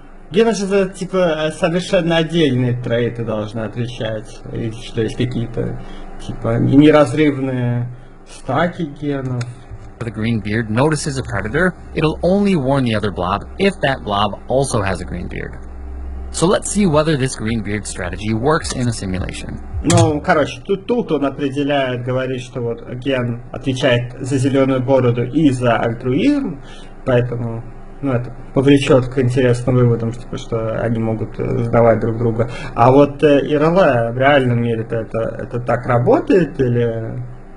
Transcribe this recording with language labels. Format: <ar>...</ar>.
<ru>Гены же за, типа, совершенно отдельные трейты должны отвечать. И что есть какие-то, типа, неразрывные стаки генов.</ru> <en>The green beard notices a predator, it'll only warn the other blob if that blob also has a green beard. So let's see whether this green beard strategy works in a simulation.</en> <ru>Ну, короче, тут он определяет, говорит, что вот ген отвечает за зеленую бороду и за альтруизм, поэтому, ну, это повлечет к интересным выводам, типа, что они могут сдавать друг друга. А вот ИРЛА в реальном мире это так работает или...</ru>